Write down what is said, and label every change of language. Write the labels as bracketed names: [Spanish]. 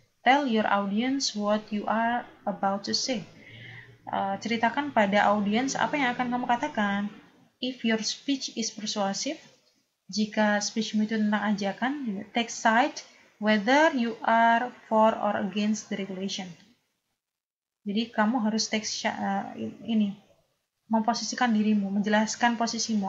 [English] Tell your audience what you are about to say. [Indonesian] Ceritakan pada audiens apa yang akan kamu katakan. [English] If your speech is persuasive, [Indonesian] jika speechmu itu tentang ajakan, [English] take side whether you are for or against the regulation. [Indonesian] Jadi kamu harus take ini, memposisikan dirimu, menjelaskan posisimu.